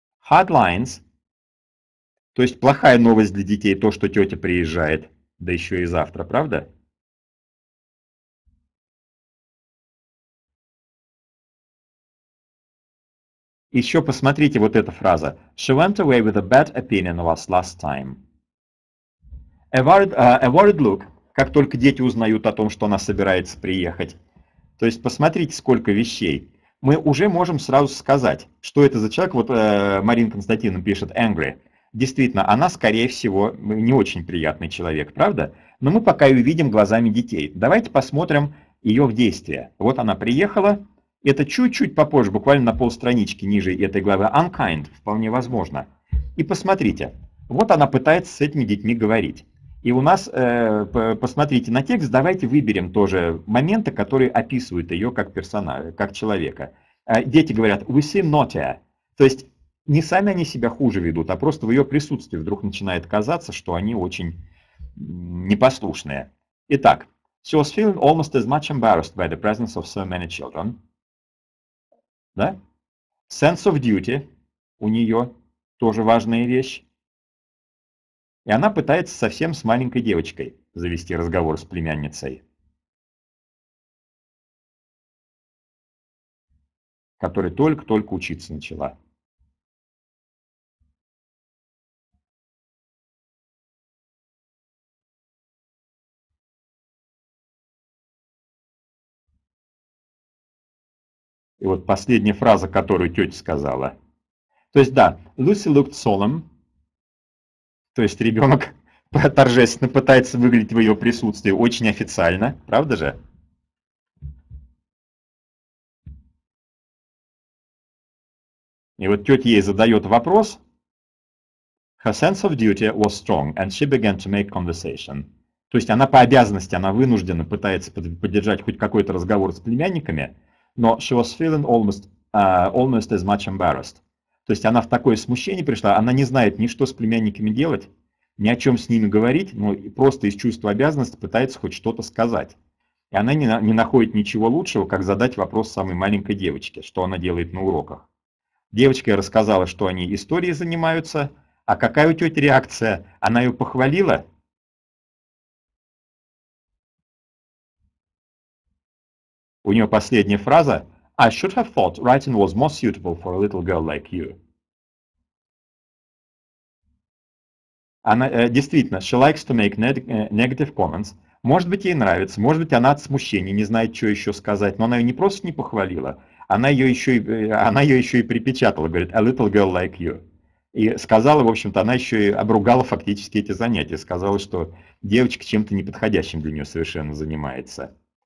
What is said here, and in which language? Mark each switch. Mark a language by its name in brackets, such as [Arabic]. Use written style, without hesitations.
[English] Hard lines, [Russian] то есть плохая новость для детей, то, что тетя приезжает, да еще и завтра, правда? Еще посмотрите вот эта фраза. [English] She went away with a bad opinion of us last time. A worried look, [Russian] как только дети узнают о том, что она собирается приехать. То есть посмотрите, сколько вещей. Мы уже можем сразу сказать, что это за человек. Вот Марина Константиновна пишет angry. Действительно, она, скорее всего, не очень приятный человек, правда? Но мы пока ее видим глазами детей. Давайте посмотрим ее в действии. Вот она приехала. Это чуть-чуть попозже, буквально на полстранички ниже этой главы. Unkind, вполне возможно. И посмотрите. Вот она пытается с этими детьми говорить. И у нас, посмотрите на текст, давайте выберем тоже моменты, которые описывают ее как персонажа, как человека. [English] Дети говорят, we seem naughty. [Russian] То есть не сами они себя хуже ведут, а просто в ее присутствии вдруг начинает казаться, что они очень непослушные. [English] Итак, she was feeling almost as much embarrassed by the presence of so many children. Да? Sense of duty [Russian] у нее тоже важная вещь. И она пытается совсем с маленькой девочкой завести разговор с племянницей, которая только-только учиться начала. И вот последняя фраза, которую тетя сказала. То есть, да, [English] Lucy looked solemn, [Russian] то есть ребенок торжественно пытается выглядеть в ее присутствии очень официально, правда же? И вот тетя ей задает вопрос. [English] Her sense of duty was strong, and she began to make conversation. [Russian] То есть она по обязанности, она вынуждена пытается поддержать хоть какой-то разговор с племянниками, но [English] she was feeling almost as much embarrassed. [Russian] То есть она в такое смущение пришла, она не знает ни что с племянниками делать, ни о чем с ними говорить, но просто из чувства обязанности пытается хоть что-то сказать. И она не находит ничего лучшего, как задать вопрос самой маленькой девочке, что она делает на уроках. Девочка рассказала, что они историей занимаются, а какая у тети реакция? Она ее похвалила? У нее последняя фраза. [English] I should have thought writing was more suitable for a little girl like you. Она действительно, she likes to make negative comments. [Russian] Может быть, ей нравится, может быть, она от смущения не знает, что еще сказать, но она ее не просто не похвалила, она ее еще и припечатала, говорит, [English] a little girl like you. [Russian] И сказала, в общем-то, она еще и обругала фактически эти занятия, сказала, что девочка чем-то неподходящим для нее совершенно занимается.